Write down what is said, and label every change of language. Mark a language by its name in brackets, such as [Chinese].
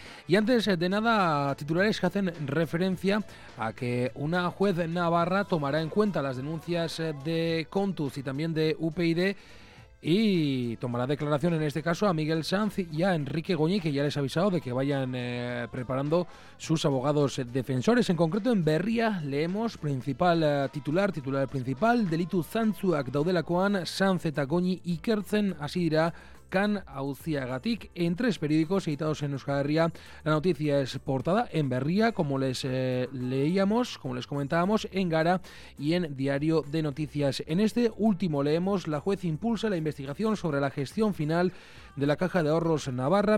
[Spanish] Y antes de nada, titulares que hacen referencia a que una juez de Navarra tomará en cuenta las denuncias de Contus y también de UPyD y tomará declaración en este caso a Miguel Sanz y a Enrique Goñi, que ya les ha avisado de que vayan preparando sus abogados defensores. En concreto, en Berria leemos titular principal, [Basque] delitu zantzuak daudelakoan Sanz eta Goñi ikertzen hasi dira kan auziagatik. [Spanish] En 3 periódicos editados en Euskal Herria, la noticia es portada. En Berria, como les leíamos, como les comentábamos, en Gara y en Diario de Noticias. En este último leemos: la juez impulsa la investigación sobre la gestión final de la Caja de Ahorros Navarra.